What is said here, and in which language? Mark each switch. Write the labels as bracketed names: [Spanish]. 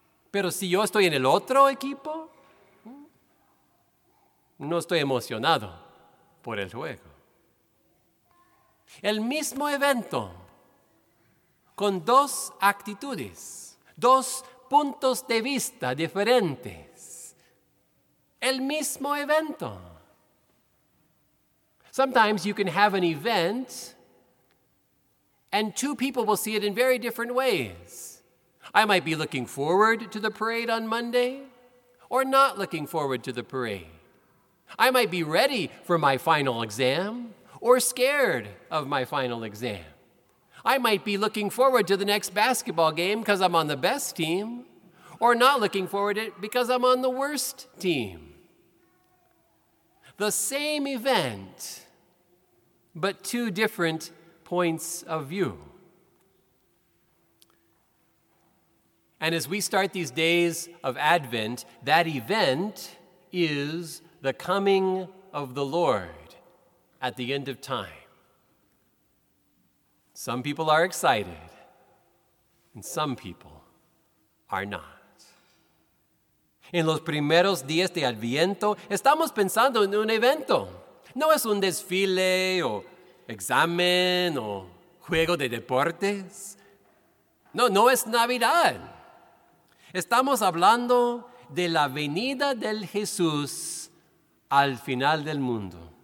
[Spanish] Pero si yo estoy en el otro equipo, no estoy emocionado por el juego. El mismo evento, con 2 actitudes, 2 puntos de vista diferentes. El mismo evento. [English] Sometimes you can have an event and 2 people will see it in very different ways. I might be looking forward to the parade on Monday or not looking forward to the parade. I might be ready for my final exam or scared of my final exam. I might be looking forward to the next basketball game because I'm on the best team or not looking forward to it because I'm on the worst team. The same event, but 2 different points of view. And as we start these days of Advent, that event is the coming of the Lord at the end of time. Some people are excited, and some people are not. [Spanish] En los primeros días de Adviento, estamos pensando en un evento. No es un desfile, o examen, o juego de deportes. No, no es Navidad. Estamos hablando de la venida del Jesús al final del mundo.